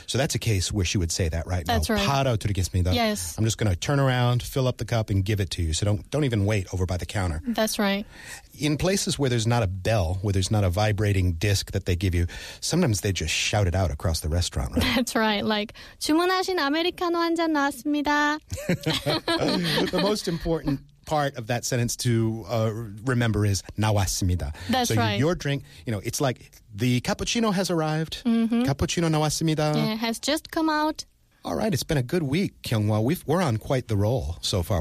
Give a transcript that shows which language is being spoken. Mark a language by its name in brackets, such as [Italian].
[English] So that's a case where she would say that right that's now. That's right. [Korean] 바로 드리겠습니다. [English] Yes. I'm just going to turn around, fill up the cup, and give it to you. So don't even wait over by the counter. That's right. In places where there's not a bell, where there's not a vibrating disc that they give you, sometimes they just shout it out across the restaurant, right? That's right. Like, [Korean] 주문하신 아메리카노 한 잔 나왔습니다. [English] The most important part of that sentence to remember is [Korean] 나왔습니다. [English] That's so right. So your drink, you know, it's like the cappuccino has arrived. Mm-hmm. [Korean] Cappuccino 나왔습니다. [English] Yeah, has just come out. All right, it's been a good week, Kyung-hwa. We're on quite the roll so far.